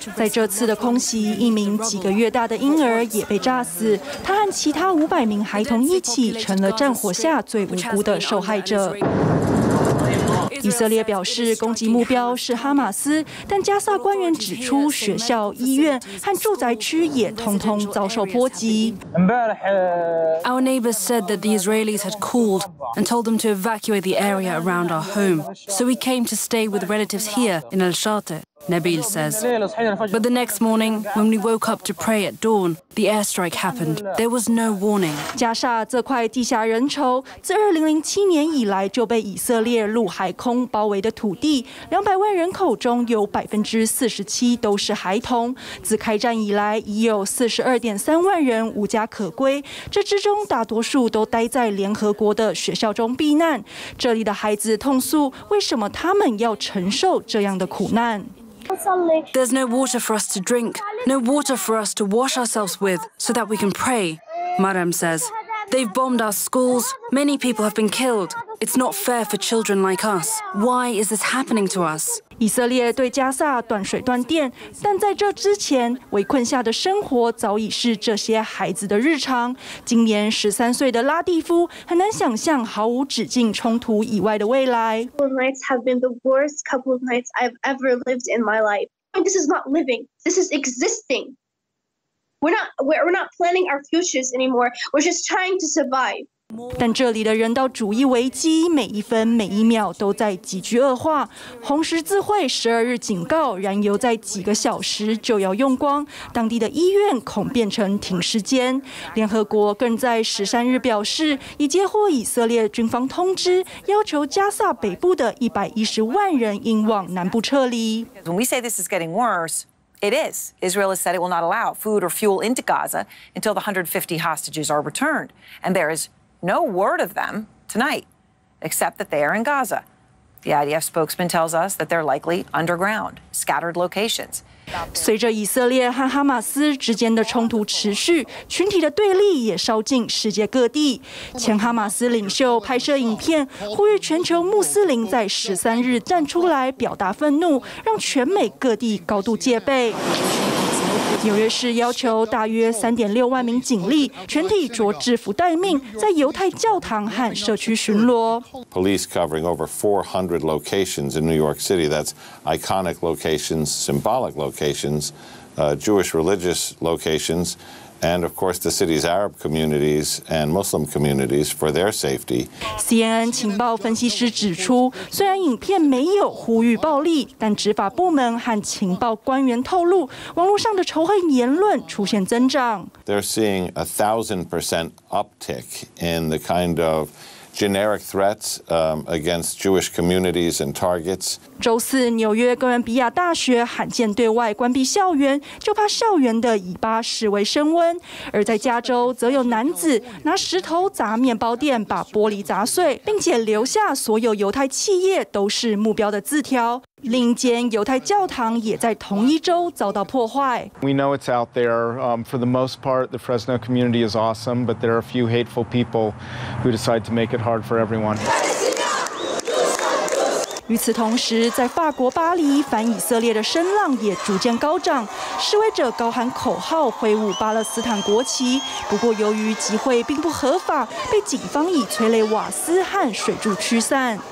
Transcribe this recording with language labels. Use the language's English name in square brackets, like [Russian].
[Chinese] 在这次的空袭，一名几个月大的婴儿也被炸死，他和其他500名孩童一起成了战火下最无辜的受害者。以色列表示攻击目标是哈马斯，但加萨官员指出学校、医院和住宅区也通通遭受波及。 [English] Our neighbors said that the Israelis had called and told them to evacuate the area around our home, so we came to stay with relatives here in Al Shate, Nabil says. But the next morning, when we woke up to pray at dawn, the airstrike happened. There was no warning. [Chinese] 加沙这块地下人稠，自2007年以来就被以色列陆海空包围的土地，200万人口中有47%都是孩童。自开战以来，已有42.3万人无家可归，这之中大多数都待在联合国的学校中避难。这里的孩子痛诉，为什么他们要承受这样的苦难？ [English] There's no water for us to drink, no water for us to wash ourselves with so that we can pray, Maram says. They've bombed our schools, many people have been killed. It's not fair for children like us. Why is this happening to us? [Chinese] 以色列对加萨断水断电，但在这之前，围困下的生活早已是这些孩子的日常。今年13岁的拉蒂夫很难想象毫无止境冲突以外的未来。 [English] Couple of nights have been the worst couple of nights I've ever lived in my life. This is not living. This is existing. We're not planning our futures anymore. We're just trying to survive. [Chinese] 但这里的人道主义危机每一分每一秒都在急剧恶化。红十字会12日警告，燃油在几个小时就要用光，当地的医院恐变成停尸间。联合国更在13日表示，已接获以色列军方通知，要求加萨北部的110万人应往南部撤离。 [English] When we say this is getting worse, it is. Israel has said it will not allow food or fuel into Gaza until the 150 hostages are returned, and there is. No word of them tonight, except that they are in Gaza. The IDF spokesman tells us that they're likely underground, scattered locations. [Chinese] 随着以色列和哈马斯之间的冲突持续，群体的对立也烧进世界各地。前哈马斯领袖拍摄影片，呼吁全球穆斯林在13日站出来表达愤怒，让全美各地高度戒备。纽约市要求大约3.6万名警力，全体着制服待命，在犹太教堂和社区巡逻。 [English] Police covering over 400 locations in New York City. That's iconic locations, symbolic locations, Jewish religious locations, and of course the city's Arab communities and Muslim communities for their safety. [Chinese] CNN 情报分析师指出，虽然影片没有呼吁暴力，但执法部门和情报官员透露，网络上的仇恨言论出现增长。 [English] They're seeing a 1000% uptick in the kind of. Generic threats against Jewish communities and targets. [Chinese] 周四，纽约哥伦比亚大学罕见对外关闭校园，就怕校园的以巴示威升温。而在加州，则有男子拿石头砸面包店，把玻璃砸碎，并且留下所有犹太企业都是目标的字条。另一间犹太教堂也在同一周遭到破坏。 [English] We know it's out there. For the most part, the Fresno community is awesome, but there are a few hateful people who decide to make it hard for everyone. [Chinese] 与此同时，在法国巴黎，反以色列的声浪也逐渐高涨。示威者高喊口号，挥舞巴勒斯坦国旗。不过，由于集会并不合法，被警方以催泪瓦斯和水柱驱散。